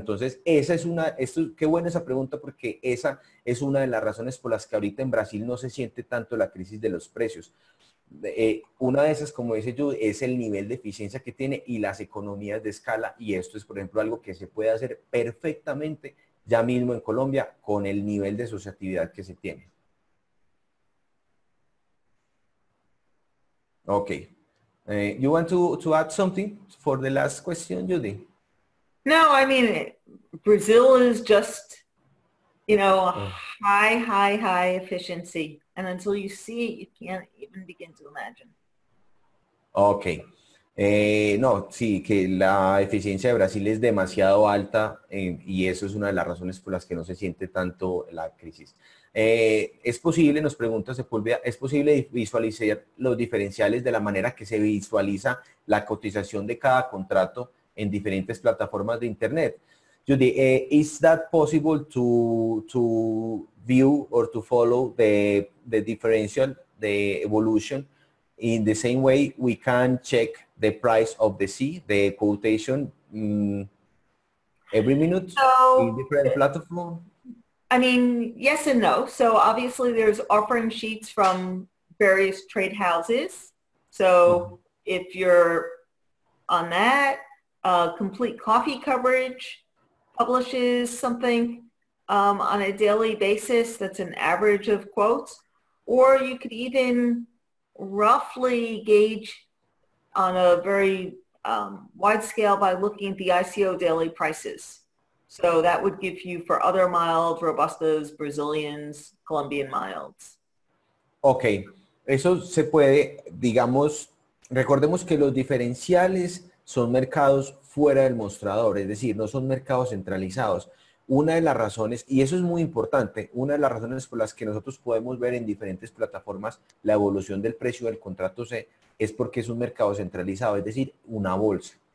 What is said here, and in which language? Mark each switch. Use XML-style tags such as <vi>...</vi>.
<es>Entonces, esa es una, esto, qué buena esa pregunta, porque esa es una de las razones por las que ahorita en Brasil no se siente tanto la crisis de los precios. Una de esas, como dice Jude, es el nivel de eficiencia que tiene y las economías de escala, y esto es, por ejemplo, algo que se puede hacer perfectamente ya mismo en Colombia con el nivel de asociatividad que se tiene. Ok.</es> <en>You want to add something for the last question, Judy? No, I mean, Brazil is just, you know, high efficiency. And until you see it, you can't even begin to imagine. Ok.</en> <es>No, sí, que la eficiencia de Brasil es demasiado alta y eso es una de las razones por las que no se siente tanto la crisis. ¿Es posible, nos pregunta Sepúlveda, es posible visualizar los diferenciales de la manera que se visualiza la cotización de cada contrato en diferentes plataformas de internet?</es> <en>Judy, is that possible to view or to follow the differential, the evolution in the same way we can check the price of the C, the quotation every minute in different platform? I mean, yes and no. So obviously there's offering sheets from various trade houses. So if you're on that, Complete Coffee Coverage publishes something. on a daily basis, that's an average of quotes, or you could even roughly gauge on a very wide scale by looking at the ICO daily prices. So that would give you for other mild, robustas, Brazilians, Colombian milds.</en> <es>Okay, eso se puede, digamos, recordemos que los diferenciales son mercados fuera del mostrador, es decir, no son mercados centralizados. Una de las razones, y eso es muy importante, una de las razones por las que nosotros podemos ver en diferentes plataformas la evolución del precio del contrato C es porque es un mercado centralizado, es decir, una bolsa.</es>